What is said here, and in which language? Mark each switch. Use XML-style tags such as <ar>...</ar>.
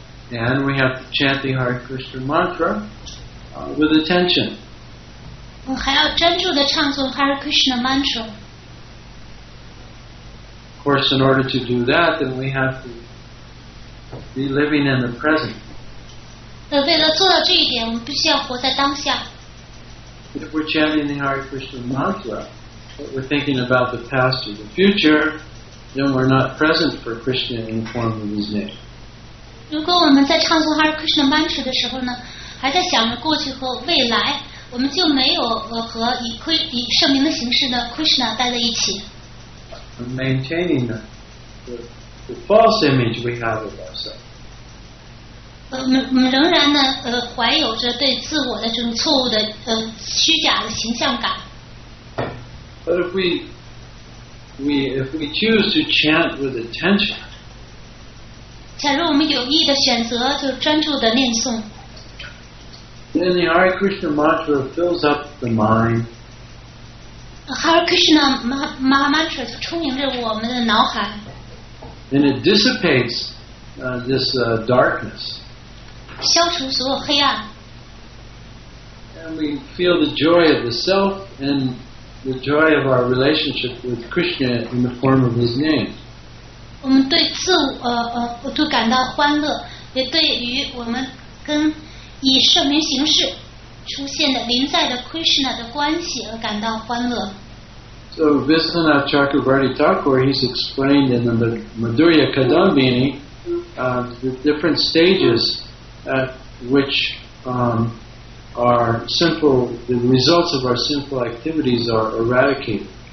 <en>And we have to chant the Hare Krishna mantra with attention.</en> <zh>我还要专注的唱诵 Hare Krishna mantra。</zh> <en>Of course, in order to do that, then we have to be living in the present.</en> <zh>为了做到这一点，我们必须要活在当下。</zh> <en>If we're chanting the Hare Krishna mantra, but we're thinking about the past or the future, then we're not present for Krishna in the form of His name.</en> <zh>如果我们在唱诵 Hare Krishna mantra 的时候呢，还在想着过去和未来，我们就没有和以圣名的形式的 Krishna 待在一起。</zh> <en>And maintaining the false image we have of ourselves.</en> <zh>我们仍然呢，怀有着对自我的这种错误的虚假的形象感。</zh> <en>But if we choose to chant with attention.</en> <zh>假如我们有意的选择，就专注的念诵。</zh> <en>Then the Hare Krishna mantra fills up the mind.</en> <zh>Hare Krishna mantra 就充盈着我们的脑海。</zh> <en>And it dissipates this darkness.</en> <zh>消除所有黑暗。</zh> <en>And we feel the joy of the self and the joy of our relationship with Krishna in the form of His name.</en> <zh>我们对自我都感到欢乐，也对于我们跟以圣名形式。出现的临在的 Krishna 的关系而感到欢乐。</zh> <en>So Viswanath Chakravarti Thakur, he's explained in the Madhurya Kadambini the different stages at which our simple, the results of our simple activities are eradicated.</en>